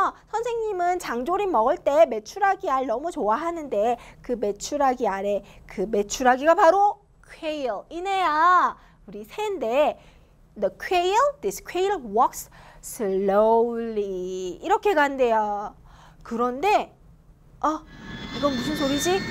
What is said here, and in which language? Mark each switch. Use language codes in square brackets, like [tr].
[ko] 선생님은 장조림 먹을 때 메추라기 알 너무 좋아하는데 그 메추라기 알에 그 메추라기가 바로 quail이네요. 우리 새인데 [en] the quail, this quail walks slowly. [ko] 이렇게 간대요. 그런데 이건 무슨 소리지?